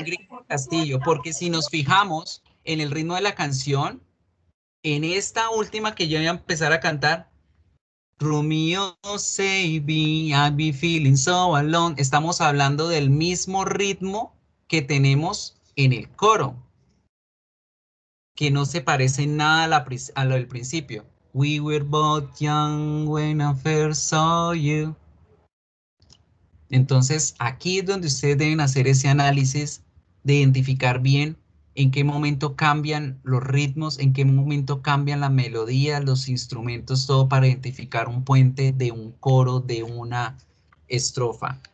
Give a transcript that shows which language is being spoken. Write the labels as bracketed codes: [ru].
[es] Ingrid Castillo, porque si nos fijamos en el ritmo de la canción, en esta última que yo voy a empezar a cantar, Romeo, [en] save me, I be feeling so alone. [es] Estamos hablando del mismo ritmo que tenemos en el coro, que no se parece nada a lo del principio. [en] We were both young when I first saw you. [es] Entonces, aquí es donde ustedes deben hacer ese análisis de identificar bien en qué momento cambian los ritmos, en qué momento cambian la melodía, los instrumentos, todo para identificar un puente de un coro, de una estrofa.